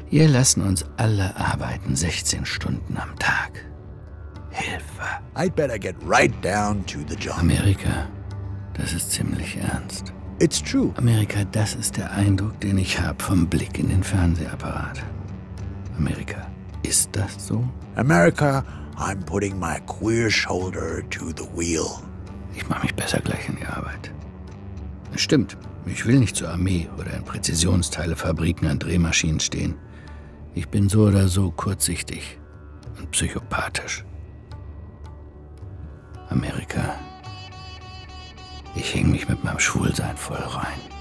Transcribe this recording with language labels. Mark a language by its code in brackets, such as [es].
[de] Ihr lassen uns alle arbeiten 16 Stunden am Tag. Hilfe. [en] I'd better get right down to the job. [de] America, das ist ziemlich ernst. [en] It's true. [de] Amerika, das ist der Eindruck, den ich habe vom Blick in den Fernsehapparat. Amerika, ist das so? [en] America, I'm putting my queer shoulder to the wheel. [de] Ich mache mich besser gleich in die Arbeit. Stimmt, ich will nicht zur Armee oder in Präzisionsteilefabriken an Drehmaschinen stehen. Ich bin so oder so kurzsichtig und psychopathisch. Amerika, ich häng mich mit meinem Schwulsein voll rein.